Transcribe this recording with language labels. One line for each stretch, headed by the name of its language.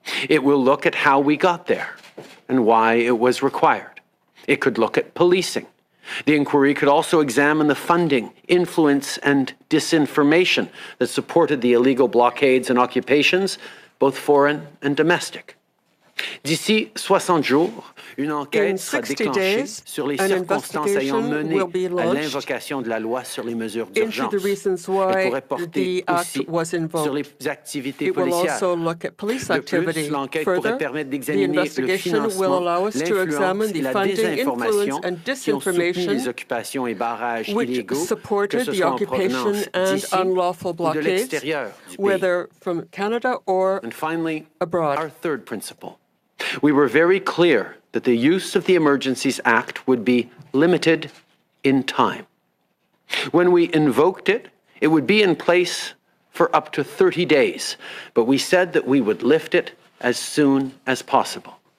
English: It will look at how we got there and why it was required. It could look at policing. The inquiry could also examine the funding, influence, and disinformation that supported the illegal blockades and occupations, both foreign and domestic.
French: D'ici 60 jours, une enquête sera déclenchée sur les circonstances ayant mené à l'invocation de la loi sur les mesures d'urgence. Elle pourrait porter aussi sur les activités policières. De plus, l'enquête pourrait permettre d'examiner le financement, l'influence et la désinformation qui ont soutenu les occupations et barrages illégaux, que ce soit en provenance d'ici ou de l'extérieur du pays.
English: From Canada or and finally, abroad. Our third principle. We were very clear that the use of the Emergencies Act would be limited in time. When we invoked it, it would be in place for up to 30 days, but we said that we would lift it as soon as possible.